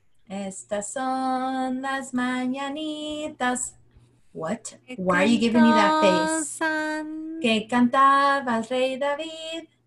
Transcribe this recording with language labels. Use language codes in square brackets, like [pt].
[es] Estas son las mañanitas. [en] What? Why are you giving me that face? [es] Que cantaba el rey David.